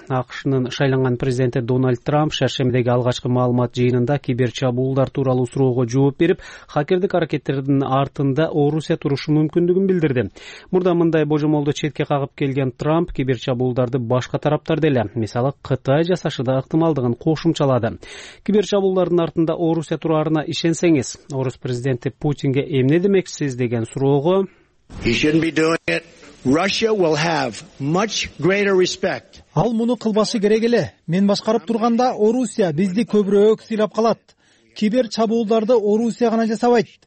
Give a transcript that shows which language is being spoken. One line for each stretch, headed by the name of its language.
Kyrgyz: АКШнын шайланган президенти Дональд Трамп шаршембидеги алгачкы маалымат жыйынында кибер чабуулдар тууралуу суроого жооп берип, хакердик аракеттердин артында Орусия турушу мүмкүндүгүн билдирди. Мурда мындай божомолду четке кагып келген Трамп кибер чабуулдарды башка тараптар деле, мисалы Кытай жасашы да ыктымалдыгын кошумчалады. Кибер чабуулдардын артында Орусия турарына ишенсеңиз, Орус президенти Путинге эмне демексиз деген суроого
English: He shouldn't be doing it. Russia will have much greater respect.
Kyrgyz: Ал муну кылбашы керек эле. Мен башкарып турганда Орусия бизди көбүрөөк сыйлап калат. Кибер чабуулдарды Орусия гана жасабайт.